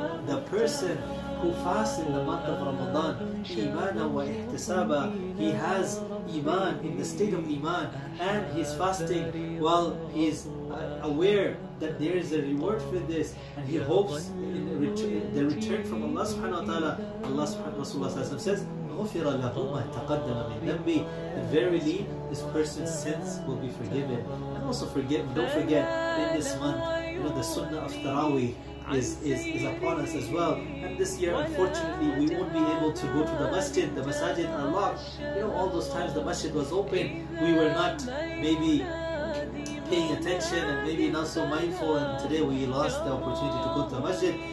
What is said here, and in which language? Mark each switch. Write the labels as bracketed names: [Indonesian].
[English] The person who fasts in the month of Ramadan, [Arabic] imanan wa ihtisaba, [English] he has iman, in the state of iman, and he's fasting while he's aware that there is a reward for this, and he hopes in the return from Allah subhanahu wa ta'ala. [Arabic] Rasulullah sallallahu alaihi wasallam says, غُفِرَ لَهُ مَا تَقَدَّمَ مِنْ ذَنْبِ. [English] And verily, this person's sins will be forgiven. And also forgiven, don't forget, in this month, you know, the sunnah of Taraweeh is upon us as well. And this year, unfortunately, we won't be able to go to the masjid. The masajid are locked. You know, all those times the masjid was open, we were not maybe paying attention and maybe not so mindful, and today we lost the opportunity to go to the masjid.